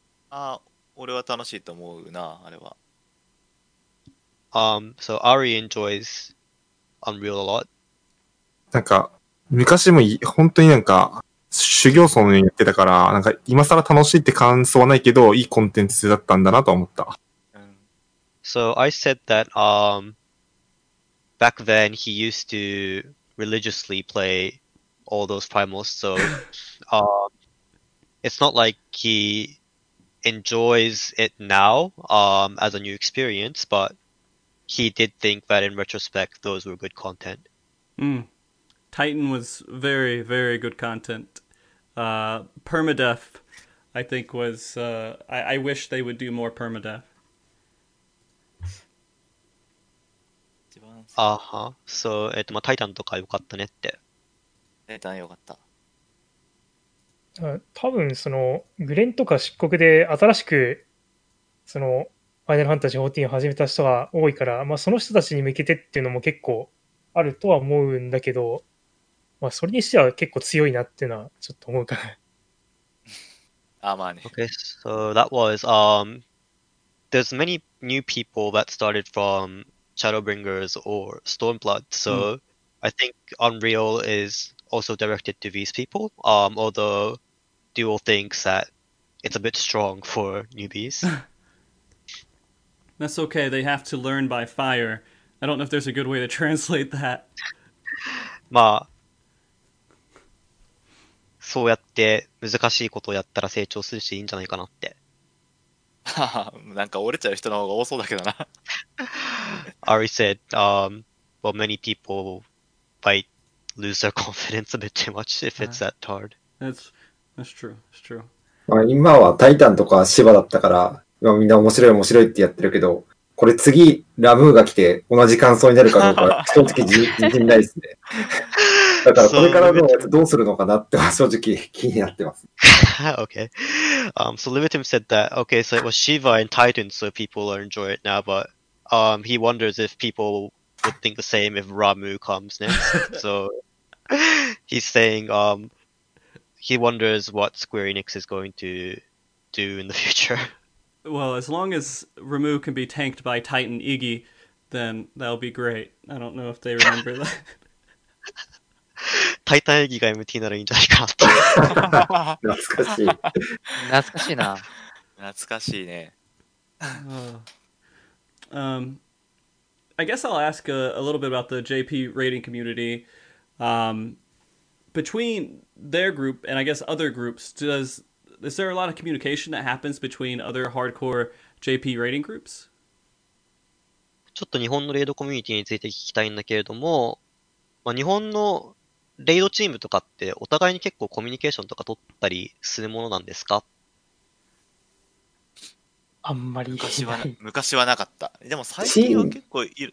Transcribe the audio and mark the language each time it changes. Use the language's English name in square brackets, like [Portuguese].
[Japanese] あ、俺は楽しいと思うな、あれは。 [English] So Ari enjoys Unreal a lot. [Japanese] なんか昔も本当になんか修行僧のようにやってたから、なんか今更楽しいって感想はないけど、いいコンテンツだったんだなと思った。 [English] So I said that back then he used to religiously play all those primals. So it's not like he enjoys it now as a new experience, but he did think that in retrospect those were good content. Mm. Titan was very, very good content. Permadeath, I think, was... I wish they would do more permadeath. Uh-huh. So, [Japanese] Titan とか良かったねって。 Titan 良かった。多分、その、グレンとか漆黒で新しく、その、Final Fantasy XIV を始めた人が多いから、まあ、その人たちに向けてっていうのも結構あるとは思うんだけど、まあ、それにしては結構強いなっていうのはちょっと思うかな。あ、まあね。 [English] Okay, so that was, there's many new people that started from Shadowbringers or Stormblood, so I think Unreal is also directed to these people, although Dual thinks that it's a bit strong for newbies. That's okay, they have to learn by fire. I don't know if there's a good way to translate that. [Japanese] まあ、そうやって難しいことをやったら成長するしいいんじゃないかなって。なんか折れちゃう人の方が多そうだけどな。 [English] Ari said, well, many people might lose their confidence a bit too much if it's that hard. That's true. [Japanese] 今はタイタンとかシバだったから、今みんな面白いってやってるけど、これ次ラムーが来て同じ感想になるかどうか、正直自信ないですね。だからこれからのやつどうするのかなって正直気になってます。 [English] okay. So Limitim said that, okay, so it was Shiva and Titan, so people will enjoy it now, but he wonders if people would think the same if Ramu comes next. So he's saying he wonders what Square Enix is going to do in the future. Well, as long as Ramu can be tanked by Titan Iggy, then that'll be great. I don't know if they remember that. [Japanese] タイタンエギが MT ならいいんじゃないかなと。懐かしい。懐かしいな。懐かしいね。 [English] I guess I'll ask a little bit about the JP rating community. Between their group and I guess other groups, is there a lot of communication that happens between other hardcore JP rating groups? [Japanese] ちょっと日本のレイドコミュニティについて聞きたいんだけれども、まあ、日本のレイドチームとかってお互いに結構コミュニケーションとか取ったりするものなんですか？あんまり昔はなかった。でも最近は結構いる。